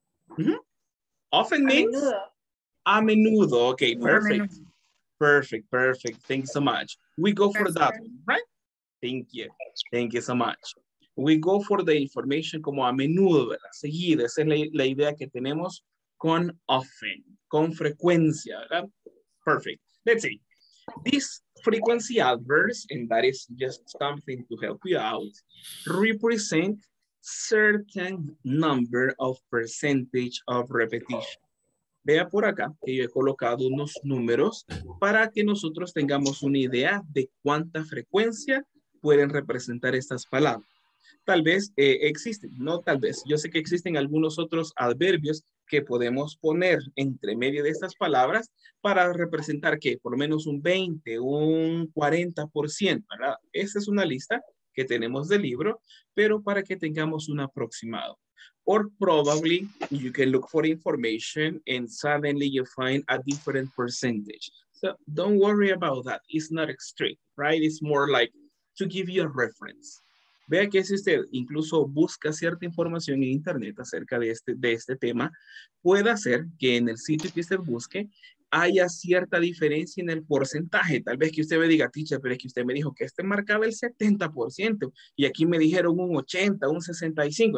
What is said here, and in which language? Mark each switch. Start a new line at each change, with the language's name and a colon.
English: Mm-hmm. Often means?
Spanish: A menudo.
English: Okay, perfect. Perfect. Thank you so much. We go for that one, right? Thank you so much. We go for the information
Spanish: como a menudo, ¿verdad? Seguida. Esa es la idea que tenemos con often, con frecuencia, ¿verdad?
English: Perfect. Let's see. This frequency adverbs, and that is just something to help you out, represent certain number of percentage of repetition.
Spanish: Vea por acá que yo he colocado unos números para que nosotros tengamos una idea de cuánta frecuencia pueden representar estas palabras. tal vez existen, no tal vez. Yo sé que existen algunos otros adverbios que podemos poner entre medio de estas palabras para representar que por lo menos un 20, un 40%, ¿verdad? Esa es una lista que tenemos del libro, pero para que tengamos un aproximado.
English: Or probably you can look for information and suddenly you find a different percentage. So don't worry about that. It's not strict, right? It's more like to give you a reference.
Spanish: Vea que si usted incluso busca cierta información en internet acerca de este tema, puede ser que en el sitio que usted busque haya cierta diferencia en el porcentaje. Tal vez que usted me diga, teacher, pero es que usted me dijo que este marcaba el 70% y aquí me dijeron un 80, un 65.